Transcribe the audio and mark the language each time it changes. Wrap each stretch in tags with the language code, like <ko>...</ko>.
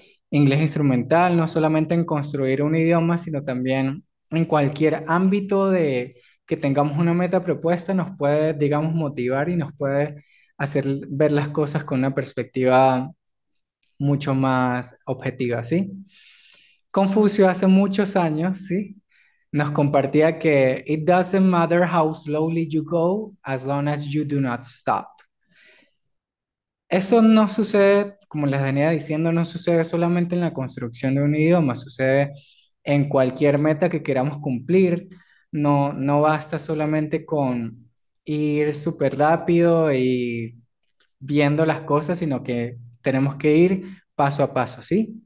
<es>inglés instrumental, no solamente en construir un idioma, sino también en cualquier ámbito de que tengamos una meta propuesta, nos puede, digamos, motivar y nos puede hacer ver las cosas con una perspectiva mucho más objetiva, ¿sí? Confucio hace muchos años, ¿sí? Nos compartía que</es> <en>it doesn't matter how slowly you go, as long as you do not stop.</en> <es>Eso no sucede, como les venía diciendo, no sucede solamente en la construcción de un idioma, sucede en cualquier meta que queramos cumplir. No basta solamente con ir súper rápido y viendo las cosas, sino que tenemos que ir paso a paso, ¿sí?</es>